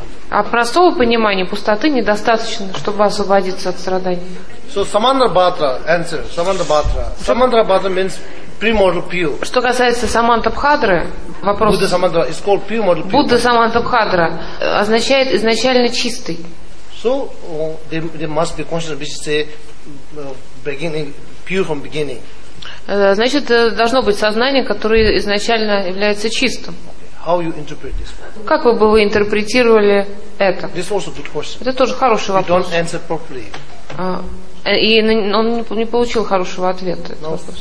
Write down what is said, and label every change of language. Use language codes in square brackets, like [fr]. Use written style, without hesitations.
[ru] А простого понимания пустоты недостаточно, чтобы освободиться от страданий. [en] So Samandra Bhatra answer. Samandra Bhatra. Samandra Bhatra means primordial pure. [ru] Что касается Самантабхадры, вопрос. [en] Buddha Samandra is called primordial pure. [ru] Buddha Samantabhadra означает изначально чистый. [en] So there must be consciousness which is a beginning pure from beginning. [ru] Значит, должно быть сознание, которое изначально является чистым. [en] How you interpret this? [ru] Как вы бы вы интерпретировали это? [en] This also good question. [ru] Это тоже хороший вопрос. [en] We don't answer properly. [ru] И он не получил хорошего ответа. [en] No,